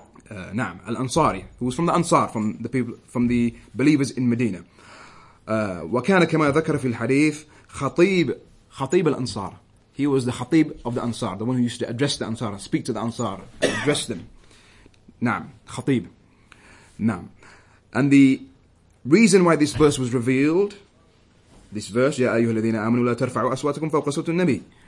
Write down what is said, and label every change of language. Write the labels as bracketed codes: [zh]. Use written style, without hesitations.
[en] Naam, al-Ansari, who was from the Ansar, from the people, from the believers in Medina. [ar] وكان كما ذكر في الحديث خطيب الأنصار. [en] He was the khatib of the Ansar, the one who used to address the Ansar, speak to the Ansar, address them. Naam, khatib. Naam. And the reason why this verse was revealed, this verse, [ar] يَا أَيُّهَا الَّذِينَ آمَنُوا لَا تَرْفَعُوا أَصْوَاتَكُمْ فَوْقَ صَوْتِ النَّبِيِّ.